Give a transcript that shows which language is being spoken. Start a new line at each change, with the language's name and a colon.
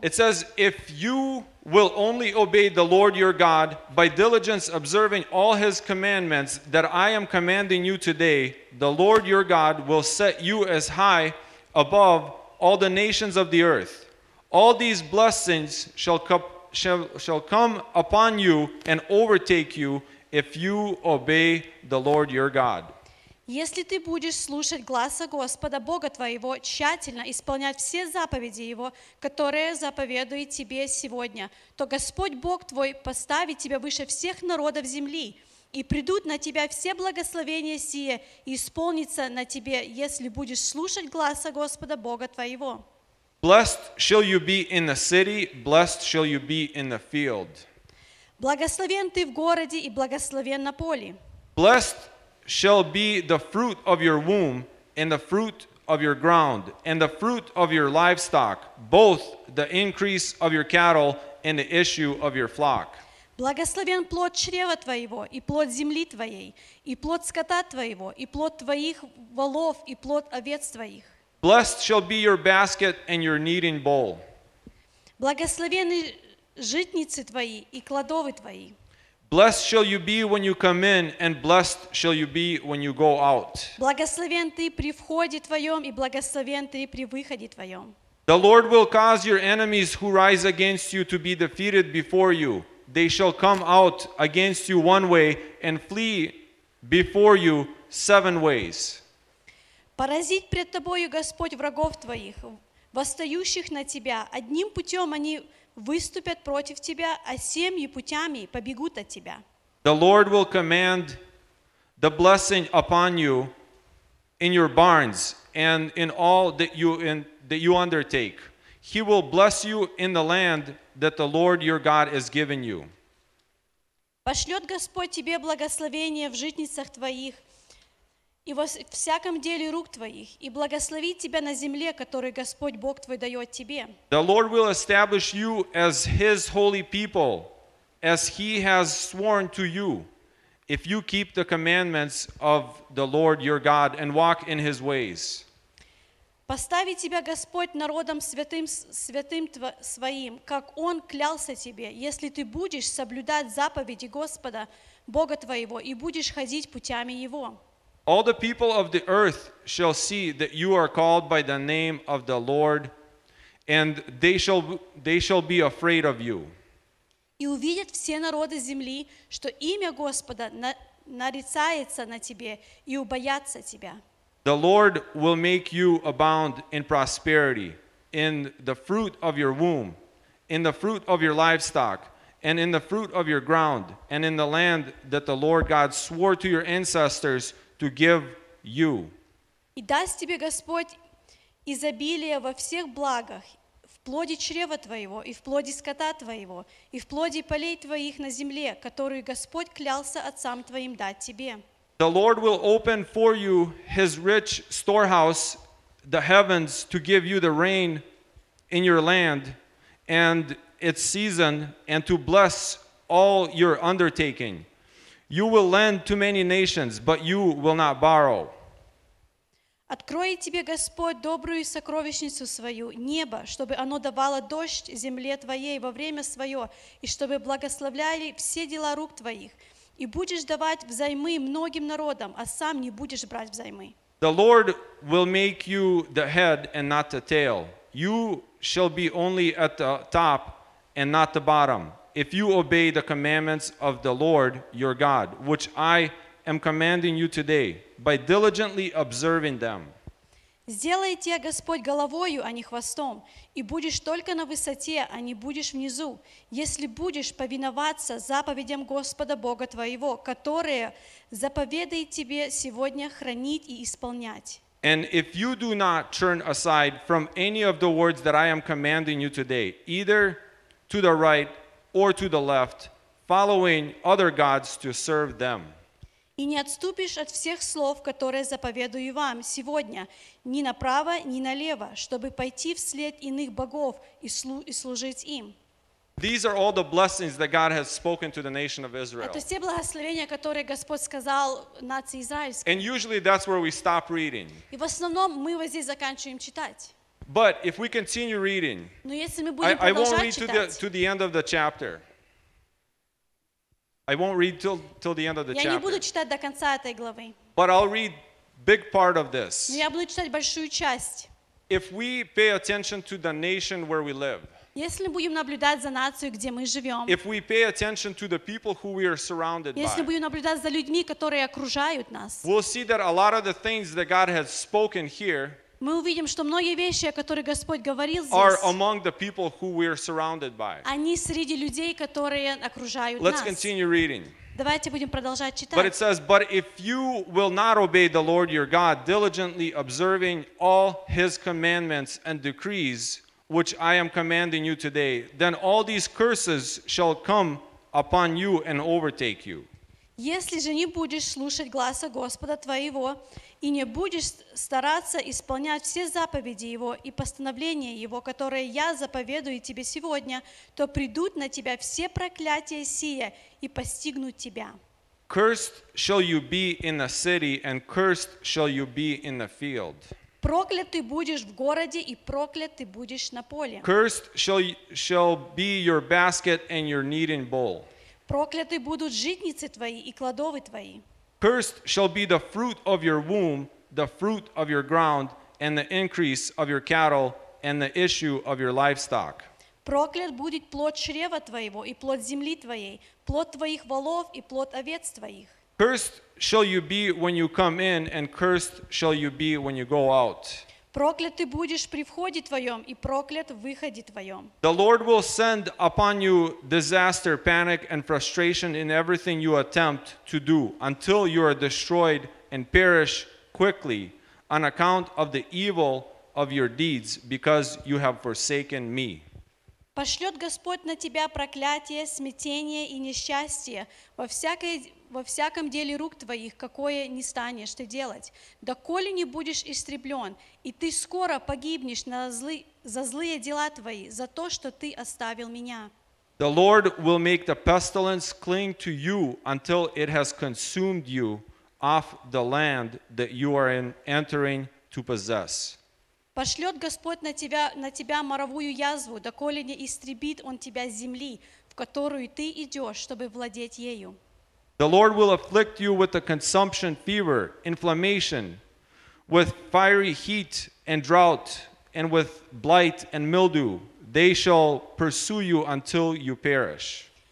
English: It says, if you will only obey the Lord your God by diligence observing all His commandments that I am commanding you today, the Lord your God will set you as high above all the nations of the earth. All these blessings shall come upon you and overtake you if you obey the Lord your God.
Russian: Если ты будешь слушать гласа Господа Бога твоего, тщательно исполнять все заповеди Его, которые заповедует тебе сегодня, то Господь Бог твой поставит тебя выше всех народов земли, и придут на тебя все благословения сие, и исполнится на тебе, если будешь слушать гласа Господа Бога твоего.
English: Blessed shall you be in the city, blessed shall you be in the field.
Russian: Благословен ты в городе и благословен на поле.
English: Blessed shall be the fruit of your womb and the fruit of your ground and the fruit of your livestock, both the increase of your cattle and the issue of your flock.
Russian: Благословен плод чрева твоего и плод земли твоей и плод скота твоего и плод твоих волов и плод овец твоих.
English: Blessed shall be your basket and your kneading bowl.
Russian: Благословены житницы твои и кладовы твои.
English: Blessed shall you be when you come in, and blessed shall you be when you go out.
Russian: Благословен ты при входе твоем и благословен ты при выходе твоем.
English: The Lord will cause your enemies who rise against you to be defeated before you. They shall come out against you one way and flee before you seven ways.
Russian: Поразить пред тобою Господь врагов твоих, восстающих на тебя. Одним путем они выступят против тебя, а семью путями побегут от тебя.
English: The Lord will command the blessing upon you in your barns and in all that you undertake. He will bless you in the land that the Lord your God has given you.
Russian: Пошлет Господь тебе благословение в житницах твоих и во всяком деле рук твоих, и благословит тебя на земле, которую Господь Бог твой дает тебе.
English: The Lord will establish you as His holy people, as He has sworn to you, if you keep the commandments of the Lord your God and walk in His ways.
Russian: Поставит тебя Господь народом святым своим, как Он клялся тебе, если ты будешь соблюдать заповеди Господа Бога твоего и будешь ходить путями Его.
English: All the people of the earth shall see that you are called by the name of the Lord, and they shall be afraid of you.
Russian: И увидят все народы земли, что имя Господа нарицается на тебе, и убоятся тебя.
English: The Lord will make you abound in prosperity, in the fruit of your womb, in the fruit of your livestock, and in the fruit of your ground, and in the land that the Lord God swore to your ancestors to give you.
Russian: И даст тебе Господь изобилие во всех благах, в плоде чрева твоего, и в плоде скота твоего, и в плоде полей твоих на земле, которую Господь клялся отцам твоим дать тебе.
English: The Lord will open for you His rich storehouse, the heavens, to give you the rain in your land and its season, and to bless all your undertaking. You will lend to many nations, but you will not borrow.
Russian: Откроет тебе Господь добрую сокровищницу свою, небо, чтобы оно давало дождь земле твоей во время свое, и чтобы благословляли все дела рук твоих, и будешь давать взаймы многим народам, а сам не будешь брать взаймы.
English: The Lord will make you the head and not the tail. You shall be only at the top and not the bottom, if you obey the commandments of the Lord your God, which I am commanding you today, by diligently observing them.
Russian: Сделай тебя Господь головою, а не хвостом, и будешь только на высоте, а не будешь внизу, если будешь повиноваться заповедям Господа Бога твоего, которые заповедает тебе сегодня хранить и исполнять.
English: And if you do not turn aside from any of the words that I am commanding you today, either to the right or to the left, following other gods to serve them.
Russian: И не отступишь от всех слов, которые заповедую вам сегодня, ни направо, ни налево, чтобы пойти вслед иных богов и служить им.
English: These are all the blessings that God has spoken to the nation of Israel.
Russian: Это все благословения, которые Господь сказал нации израильской.
English: And usually that's where we stop reading.
Russian: И в основном мы вот здесь заканчиваем читать.
English: But if we continue reading, I won't read to the end of the chapter. I won't read till the end of the chapter.
Russian: Я не буду читать до конца этой главы.
English: But I'll read big part of this.
Russian: Я буду читать большую часть.
English: If we pay attention to the nation where we live,
Russian: Если будем наблюдать за нацией, где мы живем.
English: If we pay attention to the people who we are surrounded by.
Russian: Если будем наблюдать за людьми, которые окружают нас.
English: We'll see that a lot of the things that God has spoken here.
Russian: Мы увидим, что многие вещи, о которых Господь говорил здесь,
English: are among the people who we are surrounded by.
Russian: Они среди людей, которые окружают нас.
English: Let's continue reading.
Russian: Давайте будем продолжать читать.
English: But it says, but if you will not obey the Lord your God, diligently observing all his commandments and decrees, which I am commanding you today, then all these curses shall come upon you and overtake you.
Russian: Если же не будешь слушать гласа Господа твоего и не будешь стараться исполнять все заповеди Его и постановления Его, которые я заповедую тебе сегодня, то придут на тебя все проклятия сие и постигнут тебя.
English: Cursed shall you be in the city, and cursed shall you be in the field.
Russian: Проклят ты будешь в городе и проклят ты будешь на поле.
English: Cursed shall be your basket and your kneading bowl.
Russian: Прокляты будут житницы твои и кладовы твои.
English: Cursed shall be the fruit of your womb, the fruit of your ground, and the increase of your cattle, and the issue of your livestock.
Russian: Проклят будет плод чрева твоего и плод земли твоей, плод твоих волов и плод овец твоих.
English: Cursed shall you be when you come in, and cursed shall you be when you go out.
Russian: Проклят ты будешь при входе твоем и проклят в выходе твоем.
English: The Lord will send upon you disaster, panic, and frustration in everything you attempt to do until you are destroyed and perish quickly on account of the evil of your deeds because you have forsaken me.
Russian: Пошлет Господь на тебя проклятие, смятение и несчастье во всяком деле рук твоих, какое не станешь ты делать, доколе не будешь истреблен, и ты скоро погибнешь за злые дела твои, за то, что ты оставил меня.
English: The Lord will make the pestilence cling to you until it has consumed you off the land that you are entering to possess.
Russian: Пошлет Господь на тебя моровую язву, доколе не истребит он тебя с земли, в которую ты идешь, чтобы владеть ею.
English: The Lord will afflict you with a consumption fever, inflammation, with fiery heat and drought, and with blight and mildew. They shall pursue you until you perish.